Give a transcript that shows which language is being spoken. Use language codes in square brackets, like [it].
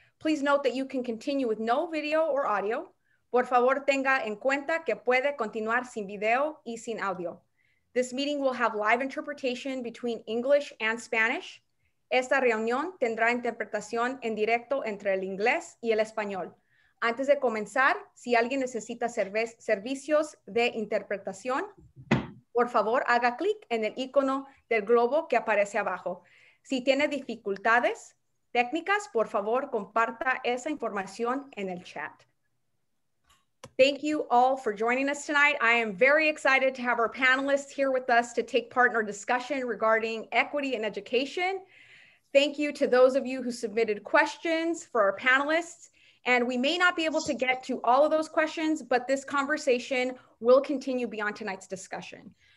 [en] Please note that you can continue with no video or audio. [es] Por favor, tenga en cuenta que puede continuar sin video y sin audio. [en] This meeting will have live interpretation between English and Spanish. [es] Esta reunión tendrá interpretación en directo entre el inglés y el español. Antes de comenzar, si alguien necesita servicios de interpretación, por favor, haga clic en el icono del globo que aparece abajo. Si tiene dificultades técnicas, por favor, comparta esa información en el chat. [en] Thank you all for joining us tonight. I am very excited to have our panelists here with us to take part in our discussion regarding equity in education. Thank you to those of you who submitted questions for our panelists. And we may not be able to get to all of those questions, but this conversation will continue beyond tonight's discussion.